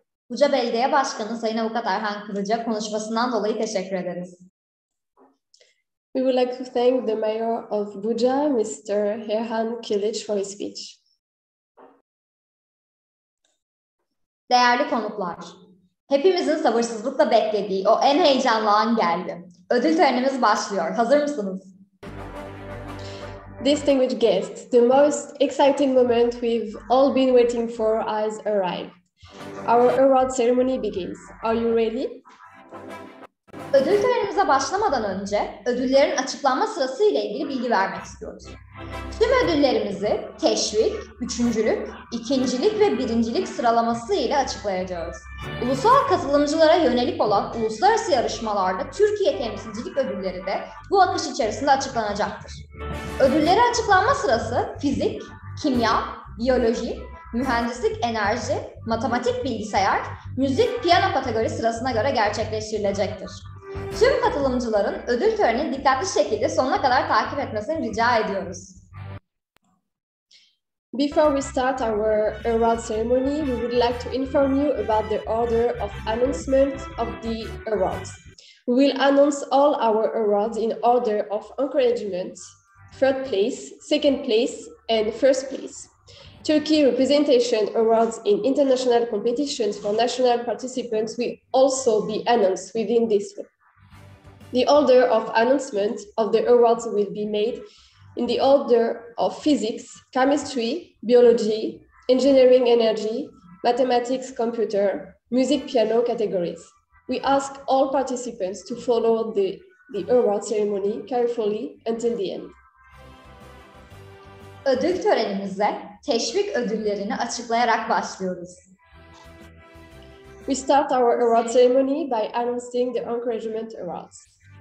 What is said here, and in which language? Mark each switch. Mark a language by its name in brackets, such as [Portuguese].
[Turkish] Buca Belediye Başkanı Sayın Avukat Erhan Kılıç'a konuşmasından dolayı teşekkür ederiz. [English] We would like to thank the mayor of Buca, Mr. Erhan Kılıç, for his speech. [Turkish] Değerli konuklar, hepimizin sabırsızlıkla beklediği o en heyecanlı an geldi. Ödül törenimiz başlıyor. Hazır mısınız? [English] Distinguished guests, the most exciting moment we've all been waiting for has arrived. Our award ceremony begins. Are you ready? [Turkish] Ödül törenimize başlamadan önce ödüllerin açıklanma sırası ile ilgili bilgi vermek istiyoruz. Tüm ödüllerimizi teşvik, üçüncülük, ikincilik ve birincilik sıralaması ile açıklayacağız. Ulusal katılımcılara yönelik olan uluslararası yarışmalarda Türkiye temsilcilik ödülleri de bu akış içerisinde açıklanacaktır. Ödülleri açıklanma sırası fizik, kimya, biyoloji, mühendislik, enerji, matematik, bilgisayar, müzik, piyano kategori sırasına göre gerçekleştirilecektir. Tüm katılımcıların ödül törenini dikkatli şekilde sonuna kadar takip etmesini rica ediyoruz. [English] Before we start our award ceremony, we would like to inform you about the order of announcement of the awards. We will announce all our awards in order of encouragement, third place, second place, and first place. Turkey Representation Awards in International Competitions for National Participants will also be announced within this week. The order of announcement of the awards will be made in the order of physics, chemistry, biology, engineering energy, mathematics, computer, music, piano categories. We ask all participants to follow the award ceremony carefully until the end. [Turkish] Ödül törenimize teşvik ödüllerini açıklayarak başlıyoruz. [English] We start our award ceremony by announcing the encouragement awards.